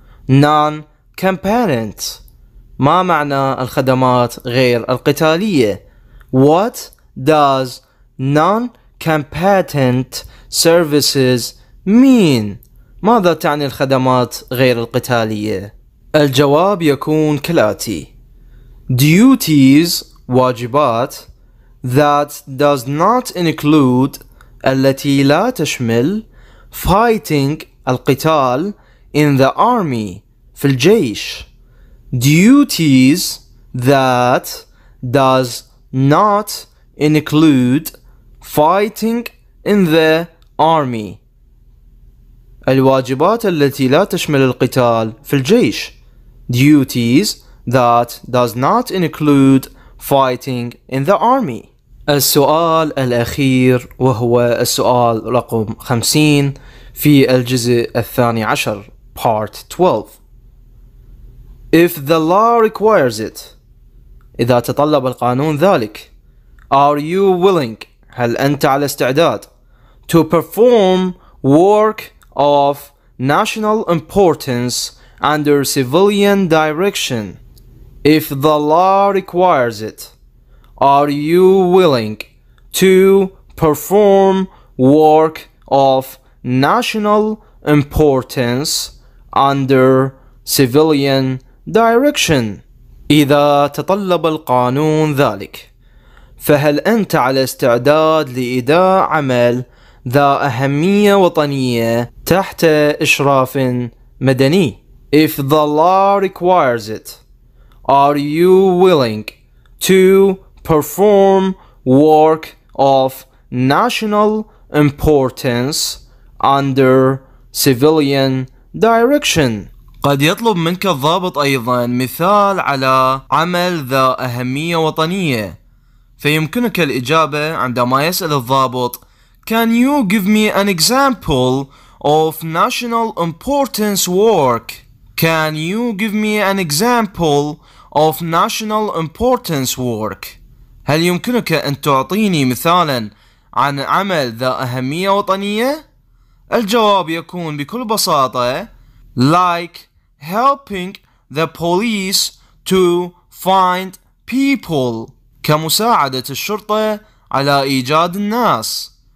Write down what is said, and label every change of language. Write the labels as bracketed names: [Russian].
[Arabic] Non-combatant ما معنى الخدمات غير القتالية؟ [English] What does non-combatant services mean؟ [Arabic] ماذا تعني الخدمات غير القتالية؟ الجواب يكون كالآتي: [English] duties واجبات that does not include [Arabic] التي لا تشمل [English] fighting القتال in the army [Arabic] في الجيش. [English] Duties that does not include fighting in the army. [Arabic] الواجبات التي لا تشمل القتال في الجيش. [English] Duties that does not include fighting in the army. [Arabic] السؤال الأخير وهو السؤال رقم 50 في الجزء الثاني عشر part 12. [English] If the law requires it, [Arabic] إذا تطلب القانون ذلك, [English] are you willing, [Arabic] هل أنت على استعداد, [English] to perform work of national importance under civilian direction? If the law requires it, are you willing to perform work of national importance under civilian direction? [Arabic] إذا تطلب القانون ذلك, فهل أنت على استعداد لإداء عمل ذا أهمية وطنية تحت إشراف مدني؟ [English] If the law requires it, are you willing to perform work of national importance under civilian direction? [Arabic] قد يطلب منك الضابط أيضا مثال على عمل ذا أهمية وطنية, فيمكنك الإجابة عندما يسأل الضابط [English] Can you give me an example of national importance work? Can you give me an example of national importance work? [Arabic] هل يمكنك أن تعطيني مثالا عن عمل ذا أهمية وطنية؟ الجواب يكون بكل بساطة [English] Like helping the police to find people, [Arabic] كمساعدة الشرطة على إيجاد الناس.